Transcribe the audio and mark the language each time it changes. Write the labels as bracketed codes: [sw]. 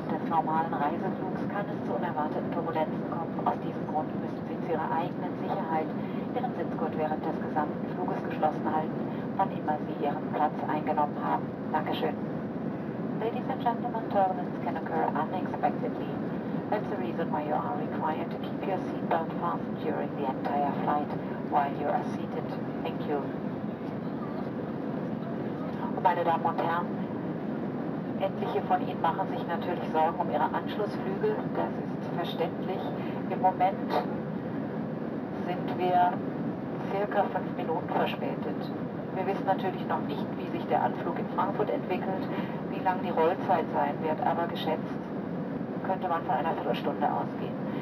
[de] Normalen Reiseflugs kann es zu unerwarteten Turbulenzen kommen. Aus diesem Grund müssen Sie zu Ihrer eigenen Sicherheit Ihren Sitzgurt während des gesamten Fluges geschlossen halten, wann immer Sie Ihren Platz eingenommen haben. Dankeschön. [en] Ladies and gentlemen, turbulence can occur unexpectedly. That's the reason why you are required to keep your seatbelt fastened during the entire flight while you are seated. Thank you. [de] Meine Damen und Herren, etliche von Ihnen machen sich natürlich Sorgen um Ihre Anschlussflüge, das ist verständlich. Im Moment sind wir circa 5 Minuten verspätet. Wir wissen natürlich noch nicht, wie sich der Anflug in Frankfurt entwickelt, wie lang die Rollzeit sein wird, aber geschätzt könnte man von einer Viertelstunde ausgehen.